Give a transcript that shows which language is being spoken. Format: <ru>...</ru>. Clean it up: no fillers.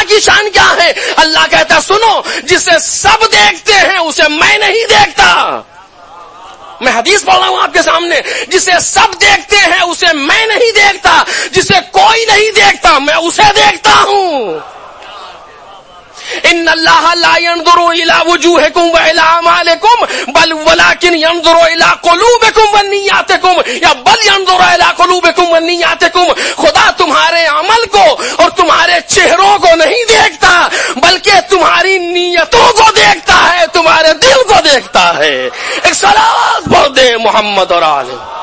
<ur>اللہ کی شان کیا ہے؟ اللہ کہتا ہے سنو جسے سب دیکھتے ہیں اسے میں نہیں دیکھتا. میں حدیث پڑھ رہا ہوں آپ کے سامنے, جسے سب دیکھتے ہیں اسے میں نہیں دیکھتا, جسے کوئی نہیں دیکھتا میں اسے دیکھتا ہوں.</ur> <ar>ان اللہ لا ينظر الى وجوهكم والى اعمالكم بل ولكن ينظر الى قلوبكم ونياتكم یا بل ينظر الى قلوبكم ونياتكم.</ar> <ur>خدا تمہارے عمل کو اور تمہارے چہروں کو نہیں دیکھتا بلکہ تمہاری نیتوں کو دیکھتا ہے, تمہارے دل کو دیکھتا ہے. ایک صلوات پڑھ دے محمد اور آل.</ur>